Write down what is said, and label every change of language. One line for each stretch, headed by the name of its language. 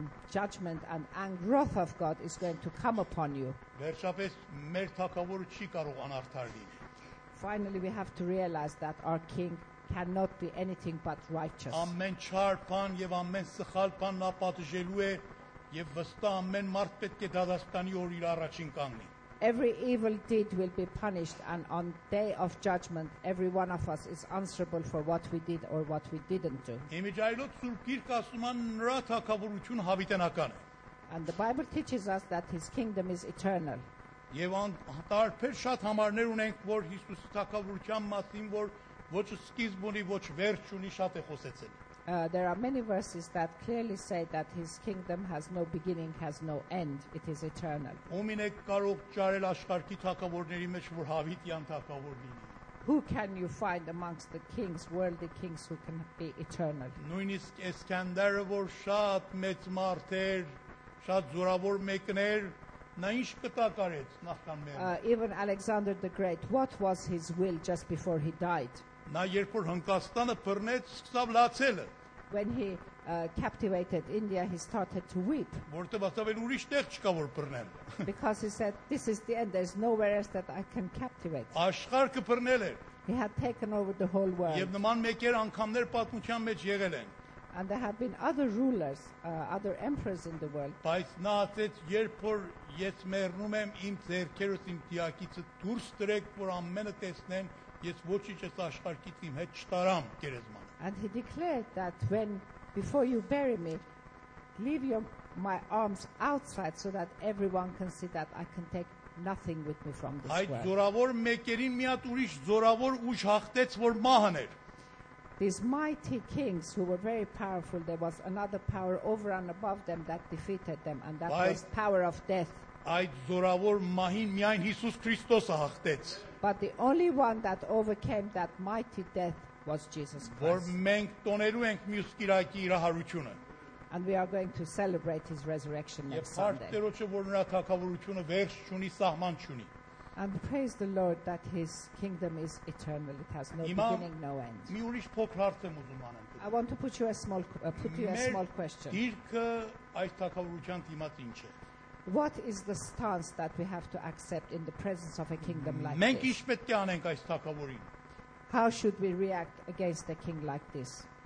English: Judgment and anger wrath of God is going to come upon you.
Armenian: Վերջապես մեր թագավորը չի կարող անարդար լինել.
English: Finally we have to realize that our king cannot be anything but righteous.
Armenian: Ամեն չար բան եւ ամեն սխալ բան նա պատժելու է եւ վստահ ամեն մարդ պետք է դադաստանի օր իր առաջին կանգնի.
English: Every evil deed will be punished and on day of judgment every one of us is answerable for what we did or what we didn't do.
Armenian: Իմիջայլոց Սուրբ Գիրքը ասում է նրա թագավորությունը հավիտենական է.
English: And the Bible teaches us that his kingdom is eternal.
Armenian: Եվ տարբեր շատ համարներ ունենք, որ Հիսուսի թագավորության մասին, որ ոչ սկիզբ ունի, ոչ վերջ ունի, շատ է խոսեցել։
English: There are many verses that clearly say that his kingdom has no beginning, has no end, it is eternal.
Armenian: Ումինեք կարող ճարել աշխարհի թագավորների մեջ, որ հավիտյան թագավոր լինի։
English: Who can you find amongst the kings, worldly kings who can be eternal?
Armenian: Նույնիսկ Սկանդերը, որ շատ մեծ մարդ էր, շատ զորավոր մեկն էր, նա ինչ կտակարեց նախքան մեռնել։
English: Even Alexander the Great, what was his will just before he died?
Armenian: Նա երբ որ Հնդկաստանը բռնեց, սկսավ լացելը։
English: When he captivated India, he started to weep.
Armenian: Որտե՞ղ ասավ, այլ ուրիշ տեղ չկա որ բռնեմ։
English: Because he said, this is the end, there's nowhere else that I can captivate.
Armenian: Աշխարհը բռնել էր։
English: He had taken over the whole world.
Armenian: Եվ նման մեկեր անգամներ պատմության մեջ եղել են։
English: And there have been other rulers, other emperors in the world.
Armenian: Բայց նա ասեց, երբ որ ես մեռնում եմ, իմ ձեռքերս իմ դիակիցը դուրս տրեք, որ ամենը տեսնեն, ես ոչինչ այս աշխարհից իմ հետ չտարամ գերեզմանը.
English: And he declared that when before you bury me, leave your my arms outside so that everyone can see that I can take nothing with me from this world.
Armenian: Այդ զորավոր մեկերին մի հատ ուրիշ զորավոր ուժ հաղթեց, որ մահաներ։
English: these mighty kings who were very powerful, there was another power over and above them that defeated them, and that was the power of death.
Armenian: Այդ զորավոր մահին միայն Հիսուս Քրիստոսը հաղթեց.
English: But the only one that overcame that mighty death was Jesus Christ.
Armenian: Որ մենք տոներու ենք մյուս կիրակի իր հարությունը.
English: And we are going to celebrate his resurrection next Sunday.
Armenian: Եթե Տերոջը որ նրա թագավորությունը վերջ չունի, սահման չունի.
English: And praise the Lord that his kingdom is eternal. It has no beginning, no end.
Armenian: Մի ուրիշ փոքր հարց եմ ուզում անեմ։
English: I want to put you a small question.
Armenian: Դիրքը այս թագավորության դիմաց ինչ է?
English: What is the stance that we have to accept in the presence of a kingdom like this? How should we react against a king like this?